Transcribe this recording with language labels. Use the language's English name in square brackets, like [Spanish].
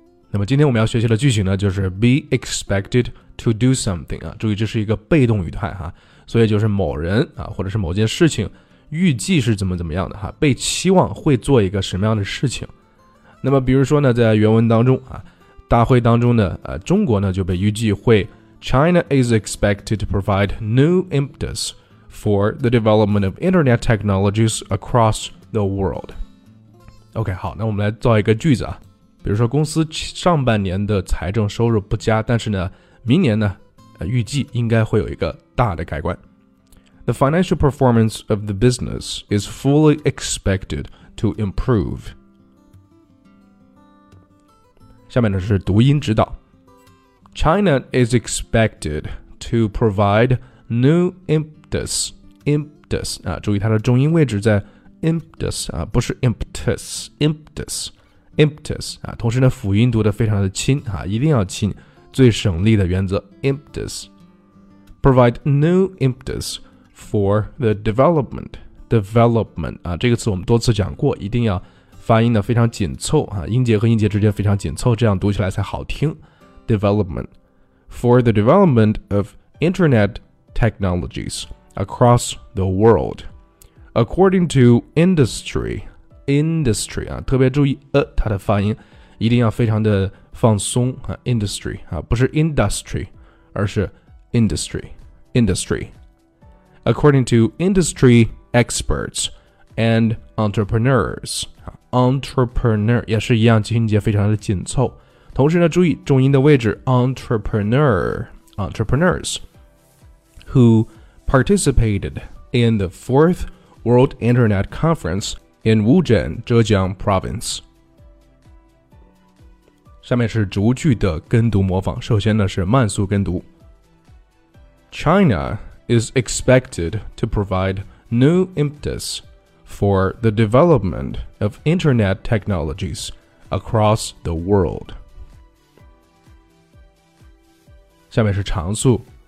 [Chinese] 那么今天我们要学习的句型呢，就是 [English] be expected to do something [Chinese] 啊，注意这是一个被动语态哈，所以就是某人啊，或者是某件事情预计是怎么样的哈，被期望会做一个什么样的事情。那么比如说呢，在原文当中啊，大会当中呢，中国呢就被预计会 [English] China is expected to provide new impetus for the development of internet technologies across the world. [Chinese] OK， 好，那我们来造一个句子啊。比如说公司上半年的财政收入不佳，但是呢明年呢预计应该会有一个大的改观。 [English] The financial performance of the business is fully expected to improve. [Chinese] 下面呢是读音指导。 [English] China is expected to provide new impetus.、 [Chinese] 啊、注意它的重音位置在 impetus,、啊、不是 impetus. Impetus、啊、同时呢辅音读得非常的轻、啊、一定要轻，最省力的原则 Impetus [English] Provide new impetus for the development、 [Chinese] 啊、这个词我们多次讲过，一定要发音的非常紧凑、啊、音节和音节之间非常紧凑，这样读起来才好听 [English] Development For the development of internet technologies across the world According to industry [Chinese] 啊，特别注意它的发音，一定要非常的放松啊。 Industry 啊，不是 industry， 而是 industry。 [English] Industry， according to industry experts and entrepreneurs， entrepreneur [Chinese] 也是一样，音节非常的紧凑。同时呢，注意重音的位置 [English] ，entrepreneurs who participated in the 4th World Internet Conference。 In Wuzhen, Zhejiang Province. [Chinese] 下面是逐句的跟读模仿，首先呢是慢速跟读。 [English] China is expected to provide new impetus for the development of internet technologies across the world. [Chinese] 下面是长速。